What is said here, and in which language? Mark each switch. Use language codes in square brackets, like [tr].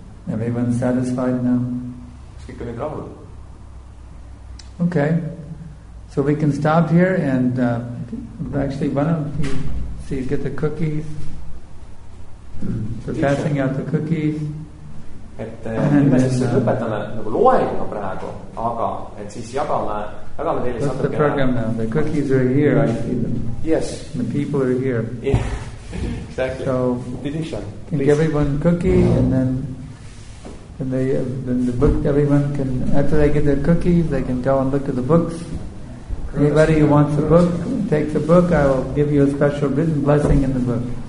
[en] Everyone satisfied now? Okay. So we can stop here and actually, why don't you see, get the cookies? We're passing out the cookies. [et] Et me siis lõpetame nagu loenga praegu, aga et siis jagame teile [en] satukene. The program now. The cookies are here, I see them. Yes. The people are here. Yeah. Exactly. So, Didisha, can give everyone cookie and then the book, everyone can, after they get their cookies, they can go and look at the books. Anybody who wants a book, take the book, I will give you a special written blessing in the book.